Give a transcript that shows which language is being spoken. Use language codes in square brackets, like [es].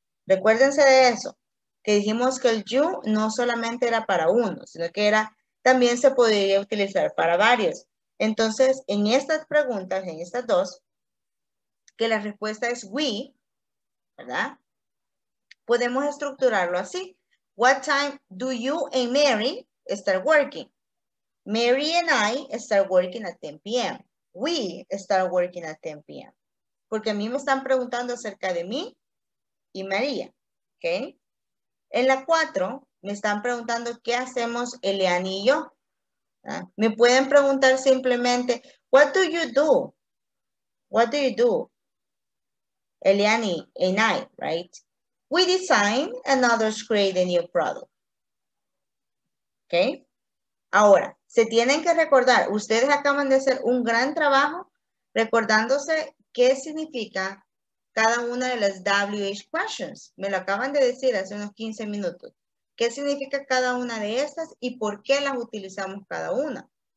[es] Recuérdense de eso. Que dijimos que el you no solamente era para uno, sino que era también se podría utilizar para varios. Entonces, en estas preguntas, en estas dos, que la respuesta es we, ¿verdad? Podemos estructurarlo así. [en] What time do you and Mary start working? Mary and I start working at 10 p.m. We start working at 10 p.m. [es] Porque a mí me están preguntando acerca de mí y María, ¿ok? En la 4, me están preguntando qué hacemos Eliani y yo. ¿Verdad? Me pueden preguntar simplemente, [en] what do you do? What do you do? Eliani and I, right? We design and others create a new product. ¿Ok? [es] Ahora, se tienen que recordar, ustedes acaban de hacer un gran trabajo recordándose qué significa cada una de las WH questions. Me lo acaban de decir hace unos 15 minutos. qué significa cada una de estas y por qué las utilizamos cada una.